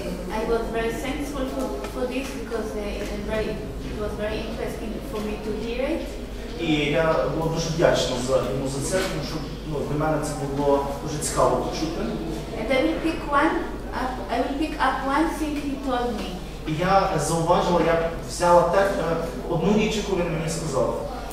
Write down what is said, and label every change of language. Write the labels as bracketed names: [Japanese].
[English] I was very thankful for this, because it was very interesting for me to hear it. [Ukrainian] І я була дуже вдячна за йому за це, тому що для мене це було дуже цікаво почути. [English] And I will pick up one thing he told me. [Ukrainian] І я зауважила, я взяла одну річ, яку він мені сказав.